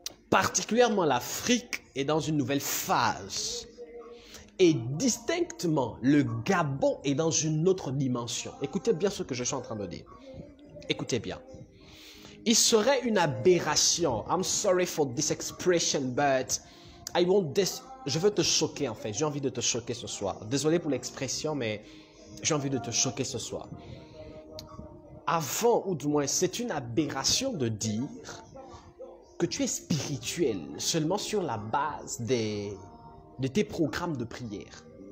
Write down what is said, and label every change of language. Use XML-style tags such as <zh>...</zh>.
<fr>Particulièrement l'Afrique est dans une nouvelle phase. Et distinctement, le Gabon est dans une autre dimension. Écoutez bien ce que je suis en train de dire. Écoutez bien. Il serait une aberration.</fr> <en>I'm sorry for this expression, but I want this.</en> <fr>Je veux te choquer en fait. J'ai envie de te choquer ce soir. Désolé pour l'expression, mais j'ai envie de te choquer ce soir. Avant, ou du moins, c'est une aberration de dire que tu es spirituel seulement sur la base de tes programmes de prière.</fr>